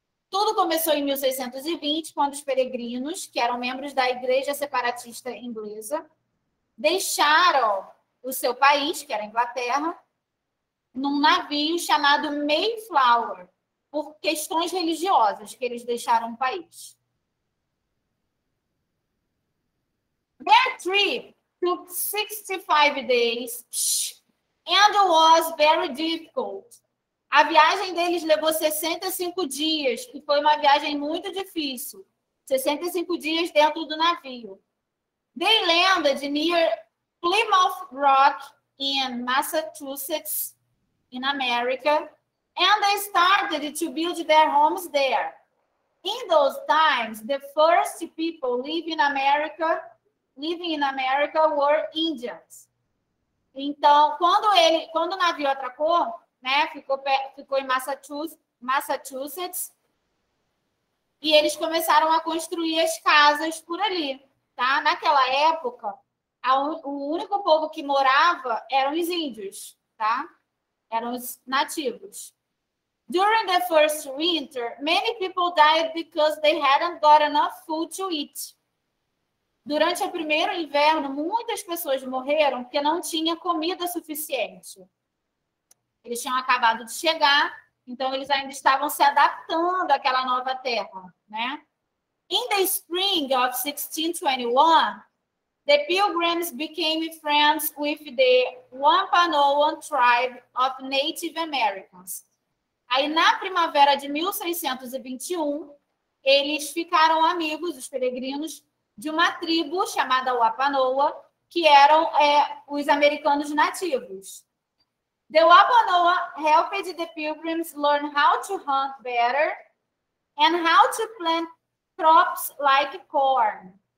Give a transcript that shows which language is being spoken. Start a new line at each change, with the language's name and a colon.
Portuguese: Tudo começou em 1620, quando os peregrinos, que eram membros da Igreja Separatista Inglesa, deixaram o seu país, que era a Inglaterra, num navio chamado Mayflower, por questões religiosas que eles deixaram o país.
English: Their trip took 65 days and was very difficult.
Portuguese: A viagem deles levou 65 dias, que foi uma viagem muito difícil. 65 dias dentro do navio.
English: They landed near Plymouth Rock in Massachusetts, in America, and they started to build their homes there. In those times, the first people living in America were Indians.
Portuguese: Então, quando o navio atracou, né, ficou em Massachusetts, e eles começaram a construir as casas por ali, tá? Naquela época, o único povo que morava eram os índios, tá? Eram os nativos.
English: During the first winter, many people died because they hadn't got enough food to eat.
Portuguese: Durante o primeiro inverno, muitas pessoas morreram porque não tinha comida suficiente. Eles tinham acabado de chegar, então eles ainda estavam se adaptando àquela nova terra, né?
English: In the spring of 1621, the Pilgrims became friends with the Wampanoag tribe of Native Americans.
Portuguese: Aí, na primavera de 1621, eles ficaram amigos, os peregrinos, de uma tribo chamada Wampanoag, que eram os americanos nativos.
English: The Wampanoag helped the Pilgrims learn how to hunt better and how to plant crops like corn.